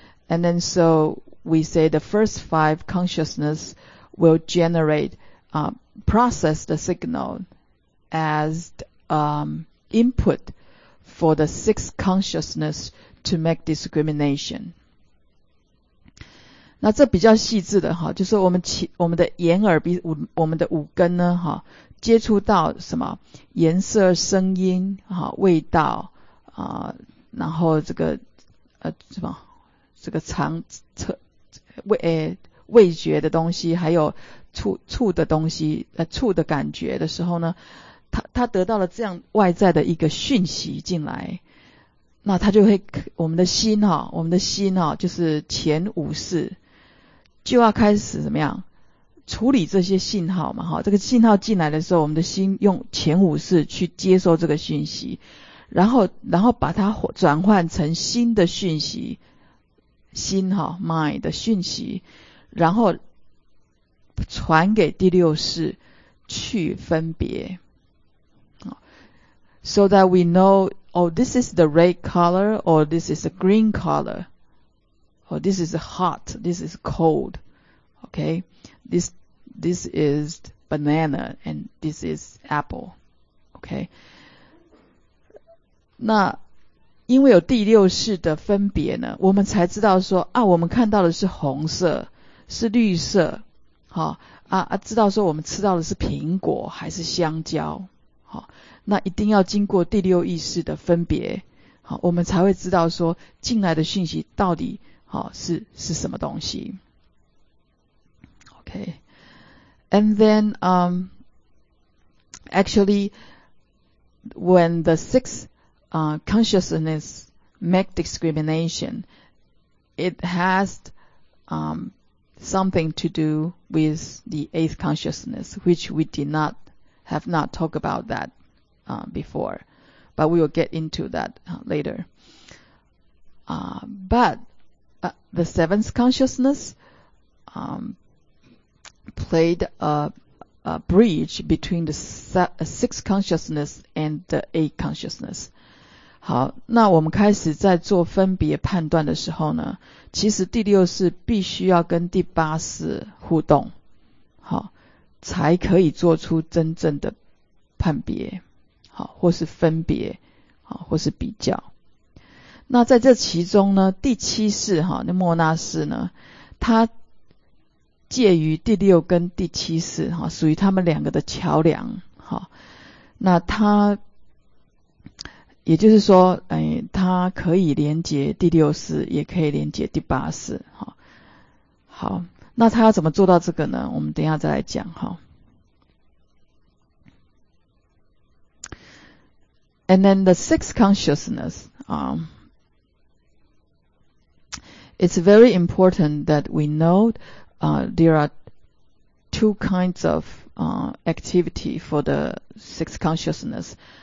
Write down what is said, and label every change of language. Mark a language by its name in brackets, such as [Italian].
[English] And then so we say the first five consciousness will generate, process the signal as input for the sixth consciousness to make discrimination. [Chinese] 那这比较细致的哈，就是我们的眼耳鼻我们的五根呢哈，接触到什么颜色、声音哈、味道啊、然后这个什么这个肠味觉的东西，还有触的东西触的感觉的时候呢，它得到了这样外在的一个讯息进来。那它就会我们的心哈，我们的心哈就是前五识。就要开始怎么样处理这些信号嘛，这个信号进来的时候，我们的心用前五识去接受这个讯息，然后把它转换成新的讯息，心 mind 的讯息，然后传给第六识去分别。 [English] So that we know, oh, this is the red color, or this is the green color. Oh, this is hot, this is cold, okay? This is banana, and this is apple, okay? 那 [Chinese] 因为有第六识的分别呢，我们才知道说啊，我们看到的是红色，是绿色，好、哦、啊，知道说我们吃到的是苹果还是香蕉，好、哦，那一定要经过第六意识的分别，好、哦，我们才会知道说进来的讯息到底好、哦、是什么东西。 [English] OK，and then actually when the sixth consciousness make discrimination, it has something to do with the eighth consciousness, which we have not talked about that before, but we will get into that later. But the seventh consciousness played a bridge between the sixth consciousness and the eighth consciousness. [Chinese] 好，那我们开始在做分别判断的时候呢，其实第六识必须要跟第八识互动，好，才可以做出真正的判别，好，或是分别，好，或是比较。那在这其中呢，第七识哈，那莫那识呢，它介于第六跟第七识哈，属于他们两个的桥梁，好，那它。也就是说、哎、它可以连接第六识，也可以连接第八识。好，那它要怎么做到这个呢？我们等一下再来讲。 [English] 好 And then the sixth consciousness,、it's very important that we know、there are two kinds of、activity for the sixth consciousness.